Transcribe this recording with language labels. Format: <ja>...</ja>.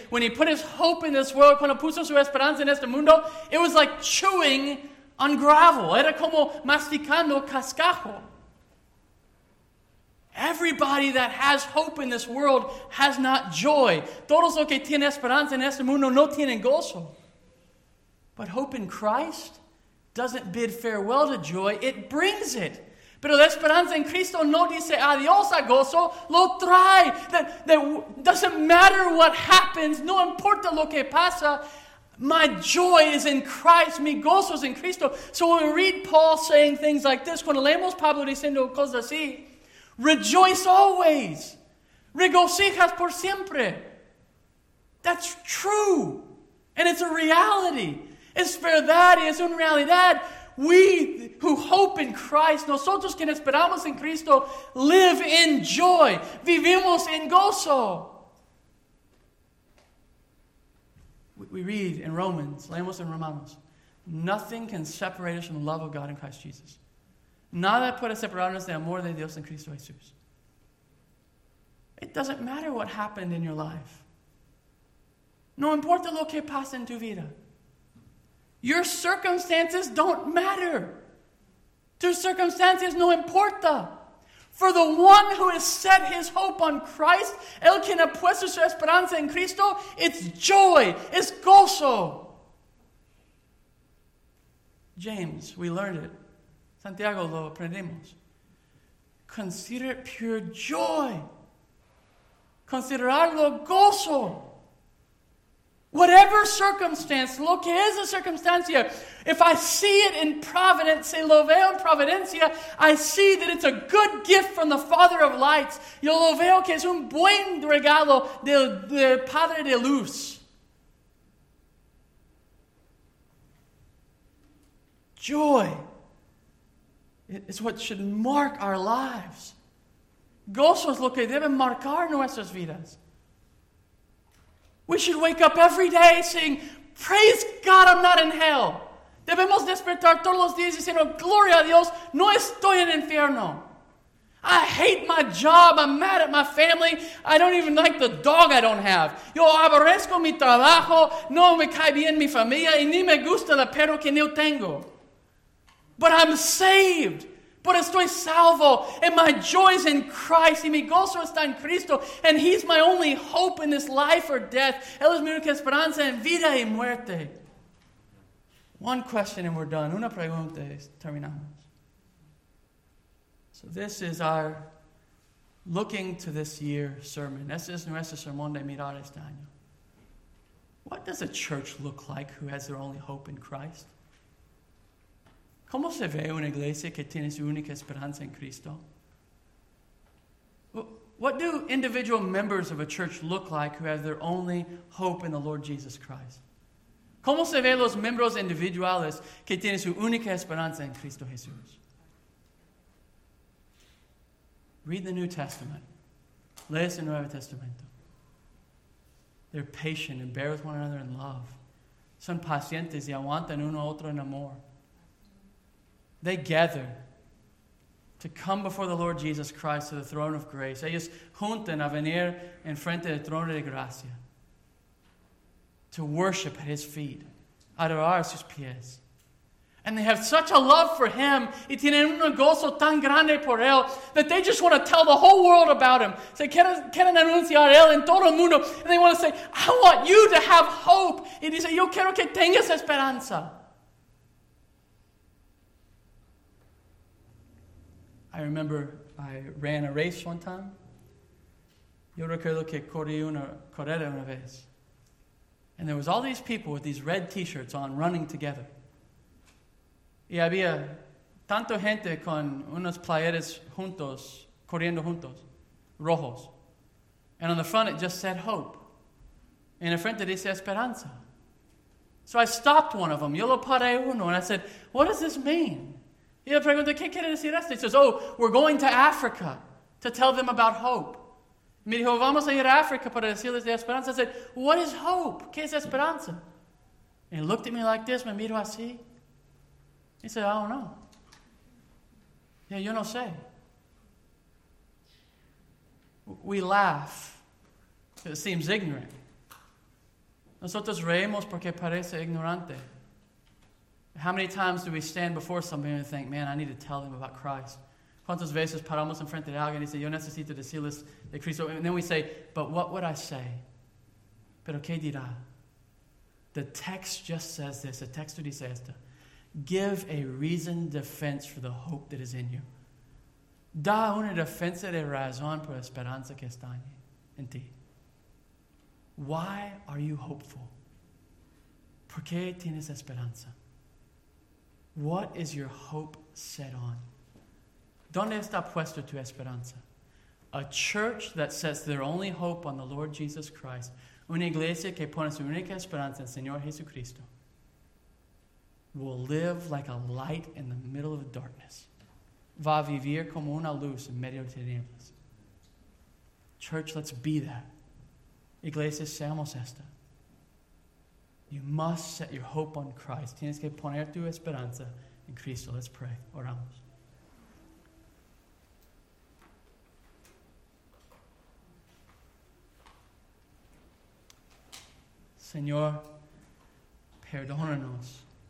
<en>When he put his hope in this world,</en> <es>cuando puso su esperanza en este mundo,</es> <en>it was like chewing on gravel.</en> <es>Era como masticando cascajo.</es> <en>Everybody that has hope in this world has not joy.</en> <es>Todos los que tienen esperanza en este mundo no tienen gozo.</es> <en>But hope in Christ doesn't bid farewell to joy. It brings it.</en> <es>Pero la esperanza en Cristo no dice adiós a gozo, lo trae.</es> <en>That doesn't matter what happens,</en> <es>no importa lo que pasa,</es> <en>my joy is in Christ,</en> <es>mi gozo es en Cristo.</es> <en>So when we read Paul saying things like this,</en> <es>cuando leemos Pablo diciendo cosas así,</es> <en>rejoice always,</en> <es>regocijas por siempre.</es> <en>That's true, and it's a reality.</en> <es>Es verdad y es una realidad.</es> <en>We who hope in Christ,</en> <es>nosotros que esperamos en Cristo,</es> <en>live in joy.</en> <es>Vivimos en gozo.</es> <en>We read in Romans,</en> <es>leemos en Romanos,</es> <en>nothing can separate us from the love of God in Christ Jesus.</en> <es>Nada puede separarnos de amor de Dios en Cristo Jesús.</es> <en>It doesn't matter what happened in your life.</en> <es>No importa lo que pasa en tu vida.</es> <en>Your circumstances don't matter.</en> <es>Tus circunstancias no importa.</es> <en>For the one who has set his hope on Christ,</en> <es>el quien ha puesto su esperanza en Cristo,</es> <en>it's joy, it's gozo. James, we learned it.</en> <es>Santiago, lo aprendimos.</es> <en>Consider it pure joy.</en> <es>Considerarlo gozo.</es> <en>Whatever circumstance,</en> <es>lo que es la circunstancia,</es> <en>if I see it in providence,</en> <es>lo veo en providencia,</es> <en>I see that it's a good gift from the Father of lights.</en> <es>Yo lo veo que es un buen regalo del Padre de luz.</es> <en>Joy is what should mark our lives.</en> <es>Gozo es lo que debe marcar nuestras vidas.</es> <en>We should wake up every day saying, praise God, I'm not in hell.</en> <es>Debemos despertar todos los días diciendo, gloria a Dios, no estoy en infierno.</es> <en>I hate my job, I'm mad at my family, I don't even like the dog I don't have.</en> <es>Yo aborrezco mi trabajo, no me cae bien mi familia, y ni me gusta la perro que no tengo.</es> <en>But I'm saved. But</en> <es>estoy salvo,</es> <en>and my joy is in Christ,</en> <es>y mi gozo está en Cristo,</es> <en>and He's my only hope in this life or death.</en> <es>Él es mi única esperanza en vida y muerte.</es> <en>One question and we're done.</en> <es>Una pregunta y terminamos.</es> <en>So this is our looking to this year sermon.</en> <es>Este es nuestro sermón de mirar este año.</es> <en>What does a church look like who has their only hope in Christ?</en> <es>¿Cómo se ve una iglesia que tiene su única esperanza en Cristo?</es> <en>What do individual members of a church look like who have their only hope in the Lord Jesus Christ?</en> <es>¿Cómo se ve los miembros individuales que tienen su única esperanza en Cristo Jesús?</es> <en>Read the New Testament.</en> <es>Lee el Nuevo Testamento.</es> <en>They're patient and bear with one another in love.</en> <es>Son pacientes y aguantan uno a otro en amor.</es> <en>They gather to come before the Lord Jesus Christ to the throne of grace.</en> <es>Ellos juntan a venir en frente del trono de gracia</es> <en>to worship at His feet,</en> <es>adorar a sus pies.</es> <en>And they have such a love for Him,</en> <es>y tienen un gozo tan grande por Él,</es> <en>that they just want to tell the whole world about Him.</en> <es>Se quieren anunciar Él en todo el mundo.</es> <en>And they want to say, I want you to have hope.</en> <es>Y dice, yo quiero que tengas esperanza.</es> <en>I remember I ran a race one time.</en> <es>Yo recuerdo que corría una vez.</es> <en>And there was all these people with these red t-shirts on running together.</en> <es>Y había tanto gente con unas playeras juntos, corriendo juntos, rojos.</es> <en>And on the front it just said hope.</en> <es>En el frente dice esperanza.</es> <en>So I stopped one of them.</en> <es>Yo lo paré uno</es> <en>and I said, what does this mean?</en> <es>Y le pregunté, ¿qué quiere decir esto?</es> <en>He says, oh, we're going to Africa to tell them about hope.</en> <es>Me dijo, vamos a ir a África para decirles de esperanza.</es> <en>I said, what is hope?</en> <es>¿Qué es esperanza?</es> <en>And he looked at me like this,</en> <es>me miro así.</es> <en>He said, I don't know. Yeah,</en> <es>yo no sé.</es> <en>we laugh. It seems ignorant.</en> <es>Nosotros reímos porque parece ignorante.</es> <en>How many times do we stand before somebody and think, man, I need to tell them about Christ?</en> <es>¿Cuántas veces paramos en frente de alguien y dice, yo necesito decirles de Cristo?</es> <en>And then we say, but what would I say?</en> <es>¿Pero qué dirá?</es> <en>The text just says this. The text</en> <es>dice esto.</es> <en>Give a reasoned defense for the hope that is in you.</en> <es>Da una defensa de razón por esperanza que está en ti.</es> <en>Why are you hopeful?</en> <es>¿Por qué tienes esperanza?</es> <en>What is your hope set on?</en> <es>¿Dónde está puesta tu esperanza?</es> <en>A church that sets their only hope on the Lord Jesus Christ.</en> <es>Una iglesia que pone su única esperanza en el Señor Jesucristo</es> <en>will live like a light in the middle of darkness.</en> <es>Va a vivir como una luz en medio de tinieblas.</es> <en>Church, let's be that.</en> <es>Iglesia, seamos esta.</es> <en>You must set your hope on Christ.</en> <es>Tienes que poner tu esperanza en Cristo.</es> <en>Let's pray.</en> <es>Oramos. Señor, perdónanos.</es>